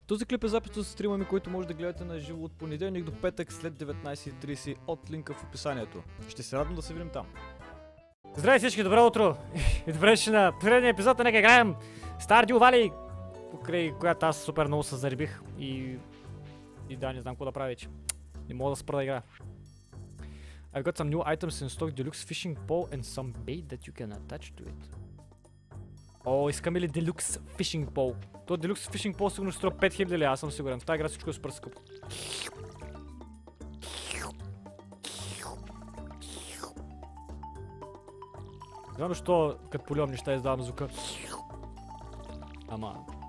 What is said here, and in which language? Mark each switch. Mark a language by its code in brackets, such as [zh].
[bg] Този клип е записан с стрима ми, който може да гледате на живо от понеделник до петък след 19:30 от линка в описанието. Ще се радвам да се видим там. Здравей всички, добро утро! И добре ще на предния епизод, нека играем Stardew Valley, покрай която аз супер много се заребих и... И да, не знам какво да правя вече. Не мога да спра да игра. [en] I've got some new items in stock, deluxe fishing pole and some bait that you can attach to it. [bg] О, искаме ли Deluxe Fishing Pole? Това Deluxe Fishing Pole сигурно струва 5000 лева, аз съм сигурен. В тази игра всичко е супер скъпо. Знам защо, като полювам неща, издавам звука. Ама...